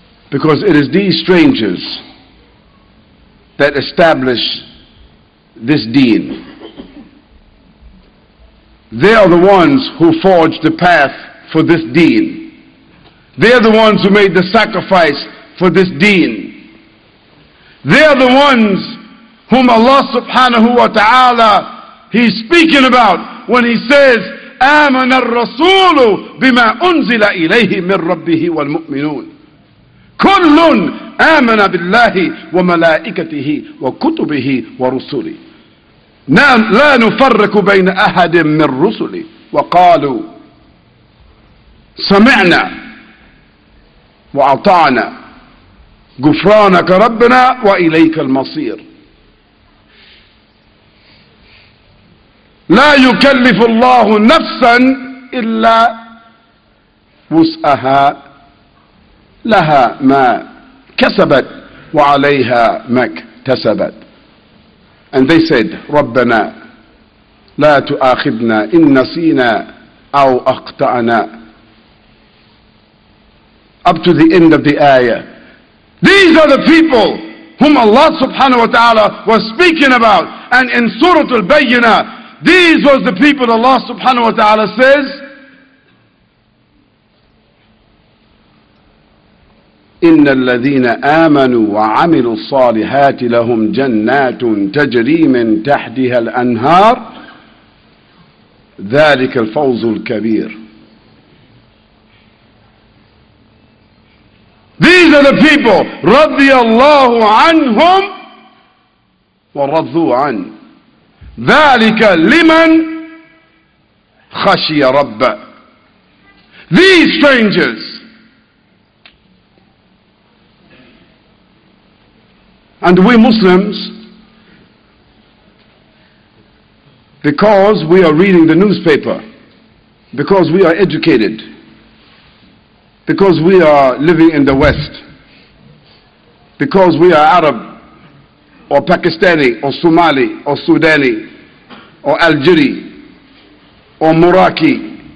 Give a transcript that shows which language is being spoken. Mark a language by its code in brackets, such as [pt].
[en] Because it is these strangers that establish this deen. They are the ones who forged the path for this deen. They are the ones who made the sacrifice for this deen. They are the ones whom Allah subhanahu wa ta'ala, He's speaking about when He says, [ar] آمَنَ الرَّسُولُ بِمَا أُنزِلَ إِلَيْهِ مِنْ رَبِّهِ وَالْمُؤْمِنُونَ كُلٌّ آمَنَ بِاللَّهِ وَمَلَائِكَتِهِ وَكُتُبِهِ وَرُسُلِهِ لا نفرق بين أحد من رسله وقالوا سمعنا وأطعنا غفرانك ربنا وإليك المصير لا يكلف الله نفسا إلا وسعها لها ما كسبت وعليها ما اكتسبت. [en] And they said, [ar] رَبَّنَا لَا تُؤَاخِذْنَا إِنْ نَسِيْنَا أَوْ أَخْطَأْنَا. [en] Up to the end of the ayah. These are the people whom Allah subhanahu wa ta'ala was speaking about. And in Surah Al-Bayyinah, these was the people Allah subhanahu wa ta'ala says, [ar] إن الذين آمنوا وعملوا الصالحات لهم جنات تجري من تحتها الأنهار ذلك الفوز الكبير. [en] These are the people [ar] رضي الله عنهم ورضوا عن ذلك لمن خشي رب. [en] These strangers, and we Muslims, because we are reading the newspaper, because we are educated, because we are living in the West, because we are Arab or Pakistani or Somali or Sudani or Algeria or Moroccan,